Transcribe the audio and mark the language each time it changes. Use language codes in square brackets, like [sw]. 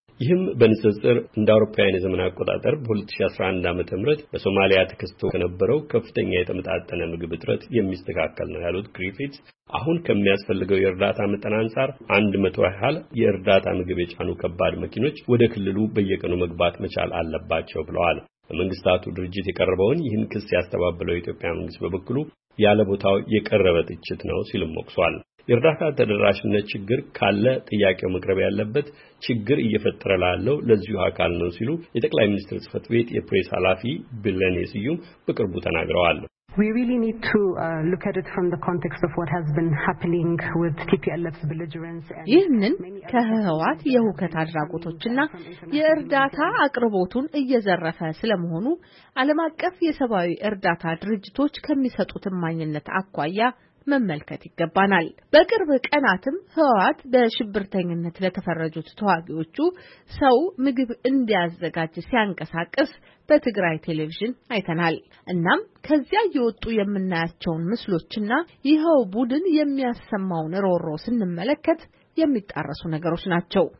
[am] ይህም በንጽጽር እንደ አውሮፓውያን የዘመን አቆጣጠር በ2011 ዓ.ም በሶማሊያ ተከስቶ ከነበረው ከፍተኛ የተመጣጠነ ምግብ እጥረት የሚስተካከል ነው ያሉት ግሪፊትስ፣ አሁን ከሚያስፈልገው የእርዳታ መጠን አንጻር 100 ያህል የእርዳታ ምግብ የጫኑ ከባድ መኪኖች ወደ ክልሉ በየቀኑ መግባት መቻል አለባቸው ብለዋል። በመንግስታቱ ድርጅት የቀረበውን ይህን ክስ ያስተባበለው ኢትዮጵያ መንግስት በበኩሉ ያለ ቦታው የቀረበ ትችት ነው ሲልም ወቅሷል። የእርዳታ ተደራሽነት ችግር ካለ ጥያቄው መቅረብ ያለበት ችግር እየፈጠረ ላለው ለዚሁ አካል ነው ሲሉ የጠቅላይ ሚኒስትር ጽሕፈት ቤት የፕሬስ ኃላፊ ቢለኔ ስዩም በቅርቡ ተናግረዋል። [en] We really need to look at it from the context of what has been happening with TPLF's belligerence and [am] ይህንን ከህወሓት የሁከት አድራጎቶችና የእርዳታ አቅርቦቱን እየዘረፈ ስለመሆኑ ዓለም አቀፍ የሰብአዊ እርዳታ ድርጅቶች ከሚሰጡት ማኝነት አኳያ መመልከት ይገባናል። በቅርብ ቀናትም ህወሓት በሽብርተኝነት ለተፈረጁት ተዋጊዎቹ ሰው ምግብ እንዲያዘጋጅ ሲያንቀሳቅስ በትግራይ ቴሌቪዥን አይተናል። እናም ከዚያ የወጡ የምናያቸውን ምስሎችና ይኸው ቡድን የሚያሰማውን ሮሮ ስንመለከት የሚጣረሱ ነገሮች ናቸው።